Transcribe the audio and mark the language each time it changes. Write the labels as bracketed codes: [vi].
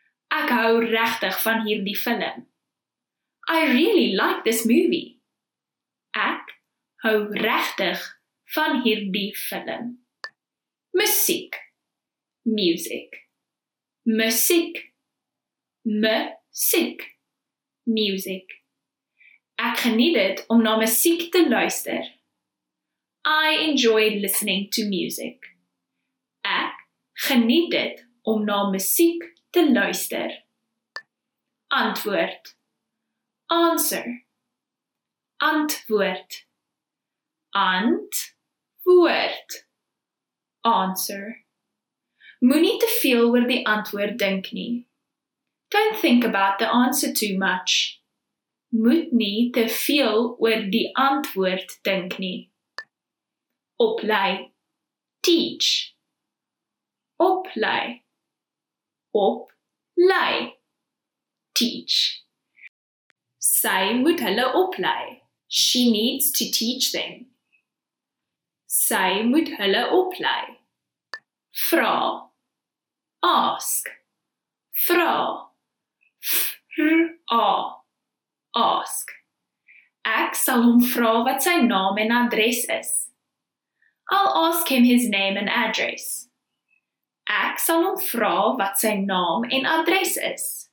[af] Ek hou regtig van hierdie film. [en] I really like this movie. [af] Ek hou regtig van hierdie film. Musiek. [en] Music. [af] Musiek. Musiek. [en] Music. [af] Ek geniet dit om na musiek te luister. [en] I enjoy listening to music. [af] Ek geniet dit om na musiek te luister. Antwoord. [en] Answer. [af] Antwoord. Antwoord. [en] Answer. [af] Moenie te veel oor die antwoord dink nie. [en] Don't think about the answer too much. [af] Moet nie te veel oor die antwoord dink nie. Oplei. [en] Teach. [af] Oplei. Oplei. [en] Teach. [af] Sy moet hulle oplei. [en] She needs to teach them. [af] Sy moet hulle oplei. Vra. [en] Ask. [af] Vra. Vra. Ask. Ek sal hom vra wat sy naam en adres is. [en] I'll ask him his name and address. [af] Ek sal hom vra wat sy naam en adres is.